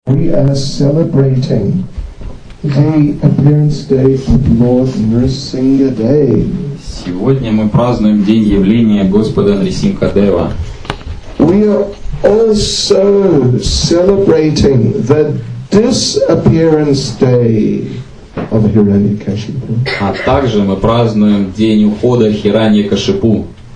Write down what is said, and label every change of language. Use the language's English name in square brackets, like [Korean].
[English] We are celebrating the appearance day of Lord Nrisimhadeva. [Russian] Сегодня мы празднуем день явления Господа Нрисимхадева. [English] We are also celebrating the disappearance day of Hiranyakashipu. [Russian] А также мы празднуем день ухода Хираньякашипу.